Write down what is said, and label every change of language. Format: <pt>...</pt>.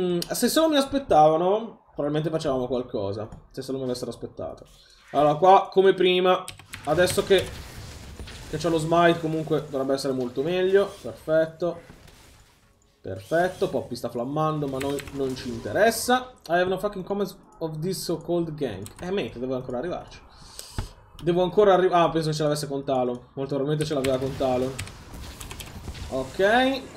<it>Se solo mi aspettavano, probabilmente facevamo qualcosa. Se solo mi avessero aspettato. Allora, qua, come prima, adesso che c'ho lo smite, comunque dovrebbe essere molto meglio. Perfetto. Perfetto, Poppy sta flammando, ma noi non ci interessa.</it> <en>I have no fucking comments of this so-called gang.</en> <it>Mate, devo ancora arrivarci. Devo ancora arrivare. Ah, penso che ce l'avesse con Talon. Molto probabilmente ce l'aveva con Talon. Ok.</it>